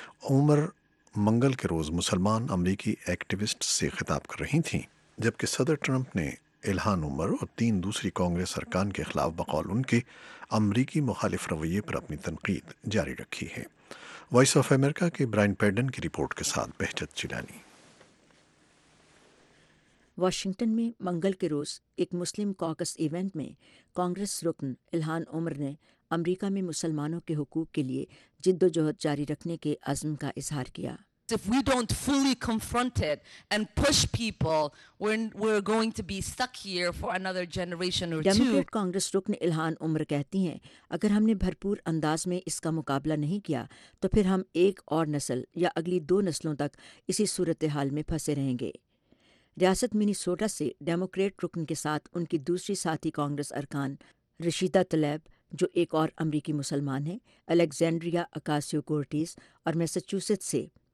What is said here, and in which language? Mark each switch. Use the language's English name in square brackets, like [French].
[Urdu] عمر منگل کے روز مسلمان امریکی ایکٹیوسٹ سے خطاب کر رہی تھیں جبکہ صدر ٹرمپ نے الہان عمر اور تین دوسری کانگریس ارکان کے خلاف بقول ان کے امریکی مخالف رویے پر اپنی تنقید جاری رکھی ہے۔ وائس آف امریکہ کے برائن پیڈن کی رپورٹ کے ساتھ بہجت چلانی۔ واشنگٹن میں منگل کے روز ایک مسلم کاکس ایونٹ میں کانگریس رکن الہان عمر نے امریکہ میں مسلمانوں کے حقوق کے لیے جد و جہد جاری رکھنے کے عزم کا اظہار کیا۔ [English] If we don't fully confront it and push people, we're going to be stuck here for another generation or two. [Urdu] Democrat Congress رکن الہان عمر کہتی ہیں، اگر ہم نے بھرپور انداز میں اس کا مقابلہ نہیں کیا تو پھر ہم ایک اور نسل یا اگلی دو نسلوں تک اسی صورتحال میں پھنسے رہیں گے۔ ریاست منیسوٹا سے ڈیموکریٹ رکن کے ساتھ ان کی دوسری ساتھی کانگریس ارکان رشیدہ طلیب، جو ایک اور امریکی مسلمان ہیں، الیگزینڈریا اکاسیو کورٹیز اور میساچوسٹس سے